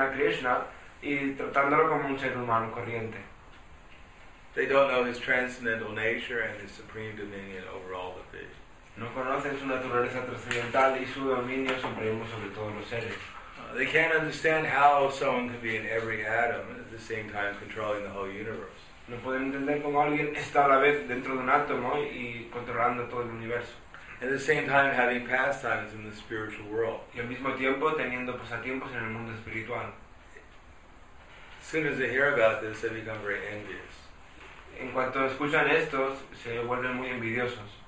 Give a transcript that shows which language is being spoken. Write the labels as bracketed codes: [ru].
[es] a Krishna y tratándolo como un ser humano corriente. [en] They don't know his transcendental nature and his supreme dominion over all the fish. [es] No conocen su naturaleza trascendental y su dominio supremo sobre todos los seres. [en] They can't understand how someone can be in every atom at the same time controlling the whole universe. [es] No pueden entender cómo alguien está a la vez dentro de un átomo y controlando todo el universo. [en] At the same time having pastimes in the spiritual world. [es] Y al mismo tiempo teniendo pasatiempos en el mundo espiritual. [en] As soon as they hear about this, they become very envious. [es] En cuanto escuchan esto, se vuelven muy envidiosos.